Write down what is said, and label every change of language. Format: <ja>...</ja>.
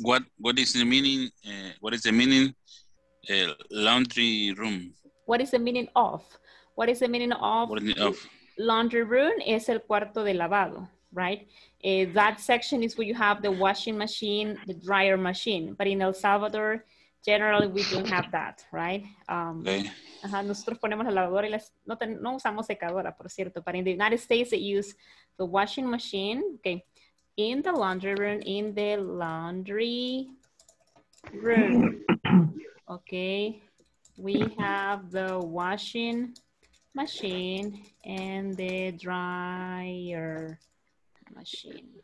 <en>What is the meaning? What is the meaning? Laundry room. What is the meaning of? What is the meaning of? What is the meaning of? Laundry room is</en> <es>el cuarto de lavado,</es> <en>right? That section is where you have the washing machine, the dryer machine. But in El Salvador, generally we don't have that, right?</en> <es>Nosotros ponemos la lavadora y no usamos secadora, por cierto.</es> <en>But in the United States, they use the washing machine. Okay, in the laundry room, in the laundry room, okay, we have the washing machine and the dryer machine.</en>